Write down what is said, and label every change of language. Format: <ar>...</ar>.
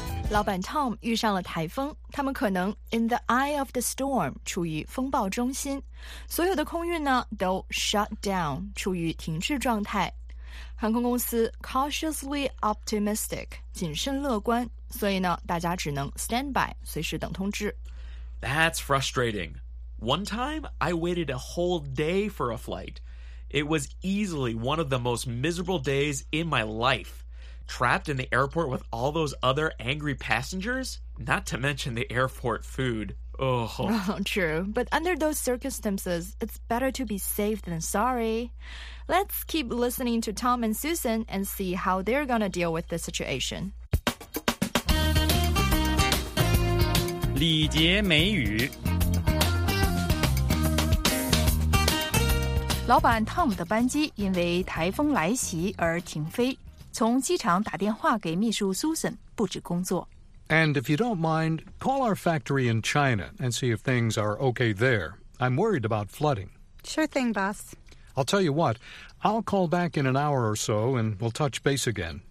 <zh>老板 Tom 遇上了台风，他们可能</zh> <en>in the eye of the storm</en> <zh>处于风暴中心，所有的空运呢都</zh> <en>shut down</en> <zh>处于停滞状态。航空公司</zh> <en>cautiously optimistic</en> <zh>谨慎乐观，所以呢大家只能</zh> <en>stand by</en> <zh>随时等通知。</zh> <en>That's frustrating. One time I waited a whole day for a flight. It was easily one of the most miserable days in my lifeTrapped in the airport with all those other angry passengers? Not to mention the airport food. Oh. Oh, true. But under those circumstances, it's better to be safe than sorry. Let's keep listening to Tom and Susan and see how they're gonna deal with the situation.</en> <zh>礼节美语老板 Tom 的班机因为台风来袭而停飞。从机场打电话给秘书 Susan 布置工作。</zh> <en>And if you don't mind, call our factory in China and see if things are okay there. I'm worried about flooding. Sure thing, boss. I'll tell you what, I'll call back in an hour or so and we'll touch base again.</en>